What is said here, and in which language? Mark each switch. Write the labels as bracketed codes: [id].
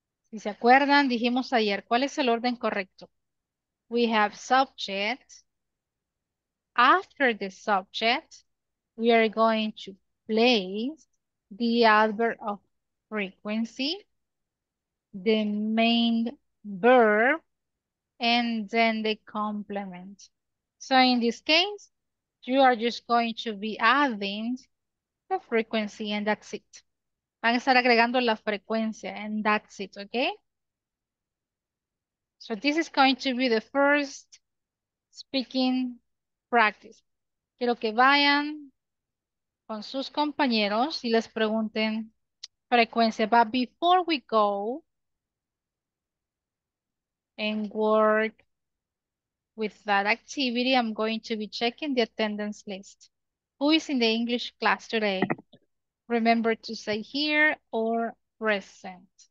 [es] Si se acuerdan, dijimos ayer, ¿cuál es el orden correcto? [en] We have subject. After the subject, we are going to place the adverb of frequency, the main verb, and then the complement. So in this case, you are just going to be adding the frequency and that's it. [es] Van a estar agregando la frecuencia [en] and that's it, okay? So this is going to be the first speaking Practice. [es] Quiero que vayan con sus compañeros y les pregunten frecuencia. [en] But before we go and work with that activity, I'm going to be checking the attendance list. Who is in the English class today? Remember to say here or present.